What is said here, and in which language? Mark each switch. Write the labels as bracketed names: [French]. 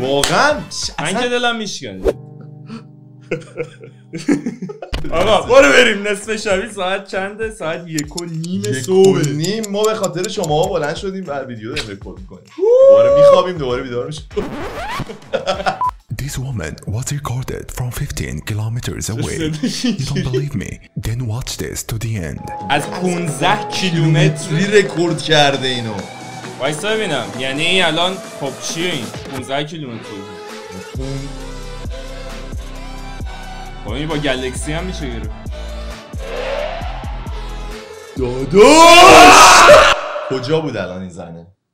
[Persian] واقعا من که دلم میشکنه. آقا برو بریم، نصف شبی ساعت چنده؟ ساعت 1:30 صبح. 1:30 ما به خاطر شما بلند شدیم بعد ویدیو داریم رکورد میکنیم. دوباره میخوابیم، دوباره بیدار میشیم. [English] This woman was recorded from 15 kilometers away. You don't believe me? Then watch this to the end. [Persian] از 15 کیلومتر رکورد کرده اینو. وایسا ببینم یعنی الان خب چی این 15 کیلومتر؟ خب این با گلکسی هم میشه گیره داداش. کجا بود الان این زنه؟